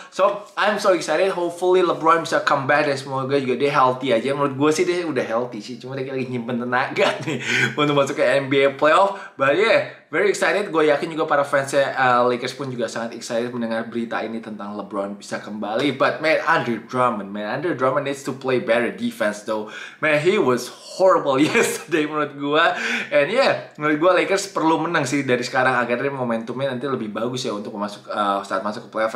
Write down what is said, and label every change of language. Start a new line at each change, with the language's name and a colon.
English: So, I'm so excited. Hopefully LeBron
Indonesian: bisa
English: come back.
Indonesian: Dan semoga juga dia
English: healthy
Indonesian: aja. Menurut gue sih dia udah healthy sih. Cuma dia lagi nyimpen tenaga nih untuk masuk ke NBA Playoff.
English: But yeah, very excited.
Indonesian: Gue yakin juga para fansnya Lakers pun juga sangat excited mendengar berita ini tentang LeBron bisa kembali.
English: But man, Andre Drummond needs to play better defense though. Man, he was horrible yesterday
Indonesian: menurut gue.
English: And yeah,
Indonesian: menurut gue Lakers perlu menang sih dari sekarang agar momentumnya nanti lebih bagus ya untuk masuk saat masuk ke playoff.